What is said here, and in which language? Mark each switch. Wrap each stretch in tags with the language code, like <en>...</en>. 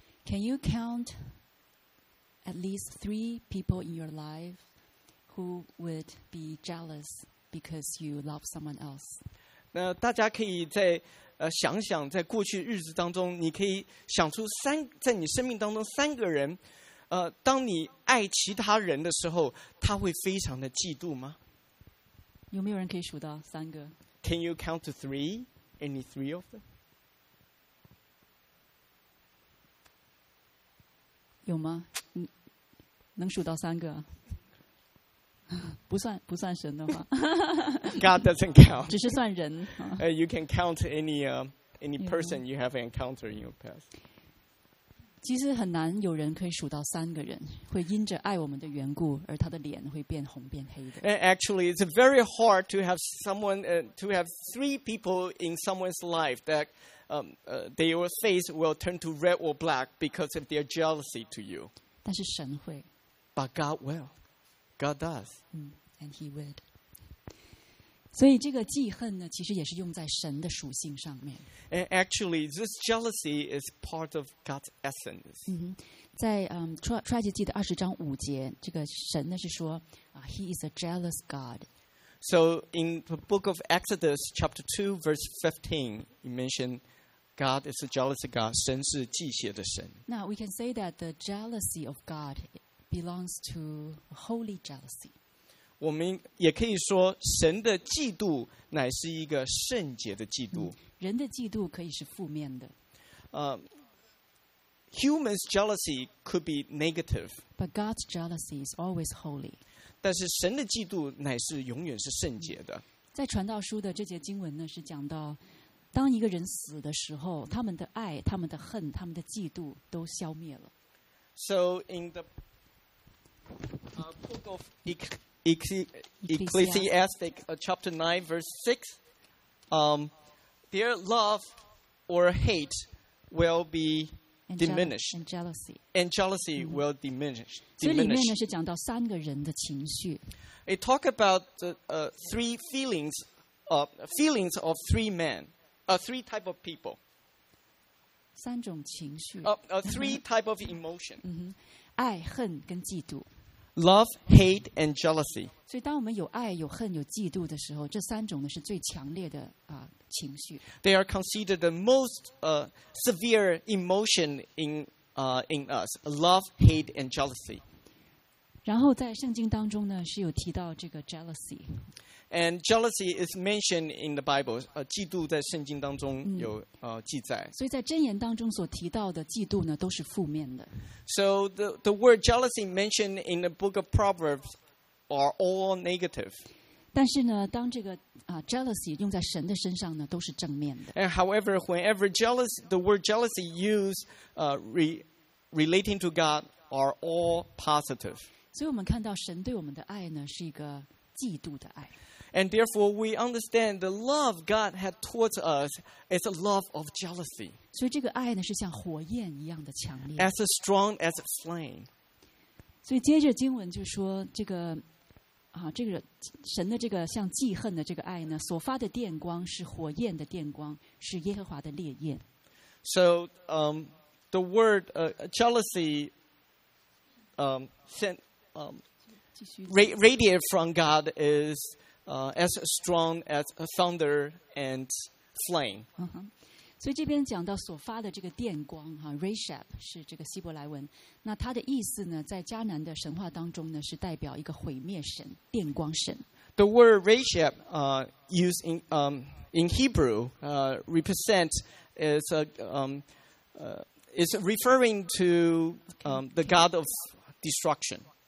<en>Can you count at least three people in your life who would be jealous because you love someone else?</en> <zh>那大家可以在想想在过去日子当中你可以想出三在你生命当中三个人当你爱其他人的时候他会非常的嫉妒吗有没有人可以数到三个</zh> <en>Can you count to three? Any three of them?</en> <zh>有吗能数到三个不算神的话</zh> <en>God doesn't count</en> <zh>只是算人</zh> <en>You can count any person you have encountered in your past</en> <zh>其实很难有人可以数到三个人会因着爱我们的缘故而他的脸会变红变黑的</zh> <en>Actually it's very hard to have someone to have three people in someone's life that their face will turn to red or black because of their jealousy to you</en> <zh>但是神会</zh> <en>But God will God does And he would</en> <zh>所以这个记恨呢其实也是用在神的属性上面</zh> <en>And actually this jealousy is part of God's essence</en> <zh>在出埃及记的二十章五节这个神呢是说</zh> <en>He is a jealous God So in the book of Exodus chapter 2 verse 15 you mentioned God is a jealous God</en> <zh>神是忌邪的神</zh> <en>Now we can say that the jealousy of God belongs to holy jealousy</en> <zh>我们也可以说神的嫉妒乃是一个圣洁的嫉妒人的嫉妒可以是负面的</zh> <en>Human's jealousy could be negative But God's jealousy is always holy</en> <zh>但是神的嫉妒乃是永远是圣洁的在传道书的这节经文呢是讲到当一个人死的时候他们的爱他们的恨他们的嫉妒都消灭了</zh> <en>So in the book of Ecclesiastic chapter 9 verse 6 their love or hate will be diminished and jealousy will diminish</en> <zh>所以里面呢是讲到三个人的情绪</zh> <en>it talk about three feelings feelings of three men three type of people</en> <zh>三种情绪</zh> <en>three type of emotion</en> <zh>爱恨跟嫉妒</zh> <en>Love, hate, and jealousy.</en> <zh>所以当我们有爱、有恨、有嫉妒的时候，这三种呢是最强烈的情绪。</zh> <en>They are considered the most severe emotion in us. Love, hate, and jealousy.</en> <zh>然后在圣经当中呢是有提到这个 jealousy.</zh> <en>And jealousy is mentioned in the Bible.</en> <zh>嫉妒在圣经当中有记载。所以在箴言当中所提到的嫉妒呢都是负面的。</zh> <en>So the word jealousy mentioned in the book of Proverbs are all negative.</en> <zh>但是呢当这个jealousy 用在神的身上呢都是正面的。</zh> <en>And however, whenever jealousy, the word jealousy used relating to God are all positive.</en> <zh>所以我们看到神对我们的爱呢是一个嫉妒的爱。</zh> <en>And therefore, we understand the love God had towards us is a love of jealousy.</en> <zh>所以这个爱呢是像火焰一样的强烈。</zh> <en>As strong as a flame.</en> <zh>所以接着经文就说这个这个神的这个像嫉恨的这个爱呢，所发的电光是火焰的电光，是耶和华的烈焰。</zh> <en>So, the word jealousy, sent radiated from God is. As strong as a thunder and flame.</en> <zh>所以这边讲到所发的这个电光Reshab 是这个希伯来文。那它的意思呢，在迦南的神话当中呢，是代表一个毁灭神，电光神。</zh> <en>The word Reshab, used in Hebrew, represents is referring to the god of destruction.</en>